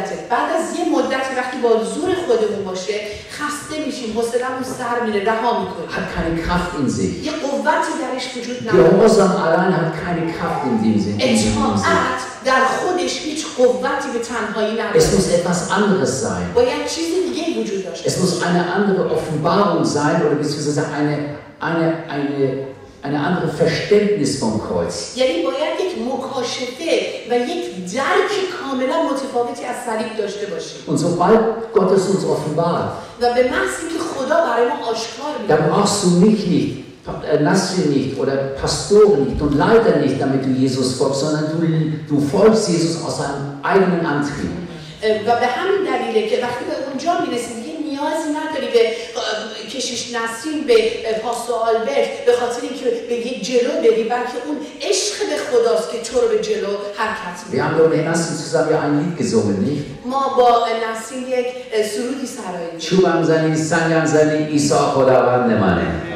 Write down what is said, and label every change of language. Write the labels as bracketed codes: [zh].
[fa] بعد از یه مدت وقتی با زور خودمون باشه خسته میشیم، حوصله‌مون سر میره، رها میکنیم. [de] Hat keine Kraft in sich. [fa] یه قوتی درش وجود نداره. [de] Gehorsam allein hat keine Kraft in dem Sinn. [fa] اطاعت در خودش هیچ قوتی به تنهایی نداره. [de] Es muss etwas anderes sein. [fa] باید چیزی دیگه وجود داشته. [de] Es muss eine andere Offenbarung sein oder beziehungsweise eine andere Verständnis vom Kreuz. [fa] یعنی باید یک مکاشفه و یک درک کاملا متفاوتی از صلیب داشته باشیم. [de] Und sobald Gott es uns offenbart. [fa] و به معنی که خدا برای ما آشکار می‌کنه. [de] Dann brauchst du mich nicht, Nassir nicht oder Pastoren nicht und Leiter nicht, damit du Jesus folgst, sondern du folgst Jesus aus deinem eigenen Antrieb. [fa] و به همین دلیل که وقتی به اونجا می‌رسیم دیگه نیازی نداری به کشیش نسیم، به پاستور آلبرت، به خاطر اینکه به یه جلو بری، بلکه اون عشق به خداست که تو رو به جلو حرکت می‌کنه. [de] Wir haben doch mit Nassim zusammen ein Lied gesungen, nicht? [fa] ما با نسیم یک سرودی سرایی می‌کنیم. چوبم زنی، سنگم زنی، عیسی خداوند منه.